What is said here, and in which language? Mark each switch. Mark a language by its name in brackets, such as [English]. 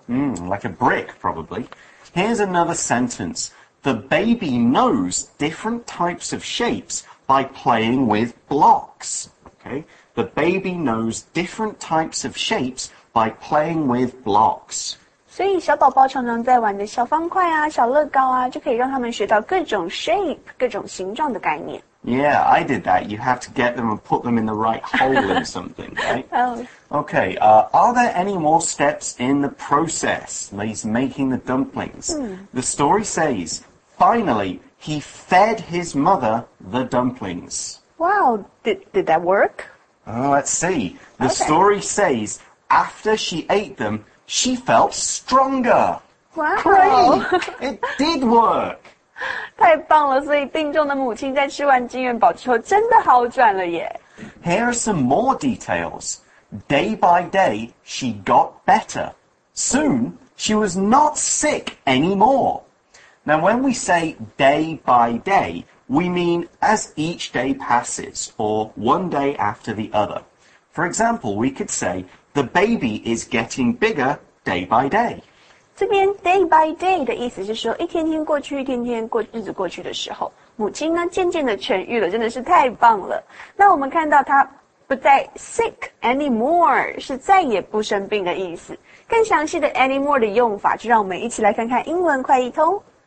[English] Like a brick, probably. Here's another sentence. The baby knows different types of shapes by playing with blocks. Okay? The baby knows different types of shapes by playing with blocks. [Chinese] 所以小宝宝常常在玩的小方块啊小乐高啊就可以让他们学到各种 shape, 各种形状的概念。 [English] Yeah, I did that. You have to get them and put them in the right hole in something, right? Okay, are there any more steps in the process, Lee's making the dumplings? The story says, finally, he fed his mother the dumplings. Wow, did that work? Let's see. The story says, after she ate them, she felt stronger. Wow. Great! It did work! [Chinese] 太棒了，所以病重的母亲在吃完金元宝之后真的好转了耶。 [English] Here are some more details. Day by day, she got better. Soon, she was not sick anymore. Now, when we say day by day, we mean as each day passes, or one day after the other. For example, we could say, the baby is getting bigger day by day. [Chinese] 这边 day by day 的意思是说一天天过去一天天过日子过去的时候母亲呢渐渐的痊愈了真的是太棒了。那我们看到她不再 [English] sick anymore, [Chinese] 是再也不生病的意思。更详细的 anymore 的用法就让我们一起来看看英文快译通。